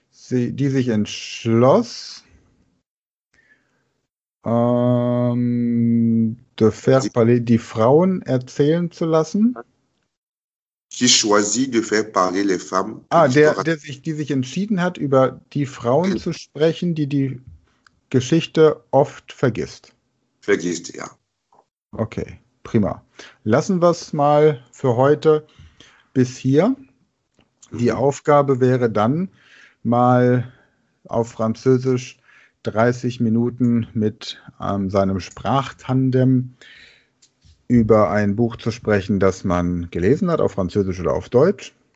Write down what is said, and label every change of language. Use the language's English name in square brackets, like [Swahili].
[German] die sich entschloss, [French] de faire parler [German] die Frauen erzählen zu lassen. [French] Qui choisit de faire parler les femmes pour Ah, l'histoire. [German] die sich entschieden hat, über die Frauen zu sprechen, die die Geschichte oft vergisst. Vergisst, ja. Okay, prima. Lassen wir es mal für heute bis hier. Die Aufgabe wäre dann, mal auf Französisch 30 Minuten mit seinem Sprachtandem über ein Buch zu sprechen, das man gelesen hat, auf Französisch oder auf Deutsch.